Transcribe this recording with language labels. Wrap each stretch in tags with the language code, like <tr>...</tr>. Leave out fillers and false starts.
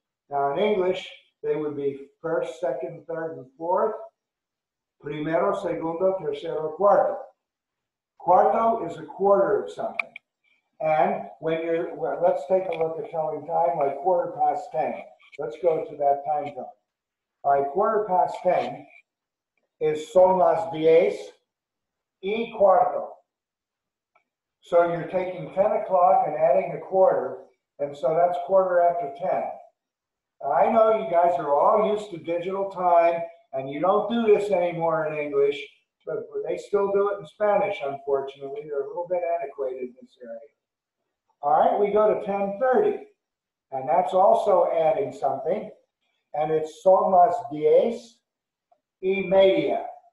<en>Now, in English, they would be first, second, third, and fourth.</en> <es>Primero, segundo, tercero, cuarto. Cuarto</es> <en>is a quarter of something. And when you're, well, let's take a look at telling time, like quarter past 10. Let's go to that time zone. All right, quarter past 10 is</en> <es>son las diez y cuarto.</es> <en>So you're taking 10 o'clock and adding a quarter, and so that's quarter after 10. I know you guys are all used to digital time, and you don't do this anymore in English, but they still do it in Spanish, unfortunately. They're a little bit antiquated in this area. All right, we go to 10:30, and that's also adding something, and it's</en> <es>son las diez y media.</es>